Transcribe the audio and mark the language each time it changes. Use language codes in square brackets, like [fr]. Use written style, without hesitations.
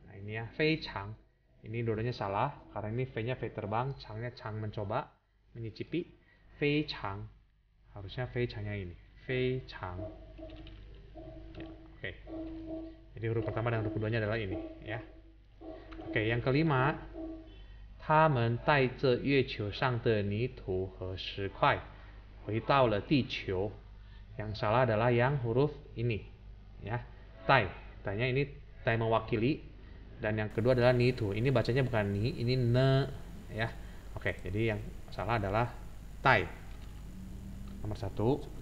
[id] Nah, ini ya, fei chang. Ini dua-duanya salah, karena ini fei nya fei terbang, chang nya chang mencoba, menyicipi. Fei chang. Harusnya fei chang nya ini. Fei chang. Ya, oke. Jadi huruf pertama dan huruf keduanya adalah ini, ya. Oke, yang kelima, [zh] 他们带着月球上的泥土和石块回到了地球。 [id] Yang salah adalah yang huruf ini, ya, tai. Tanya ini tai mewakili, dan yang kedua adalah ni tu. Ini bacanya bukan ni, ini ne, ya. Oke, jadi yang salah adalah tai. Nomor satu.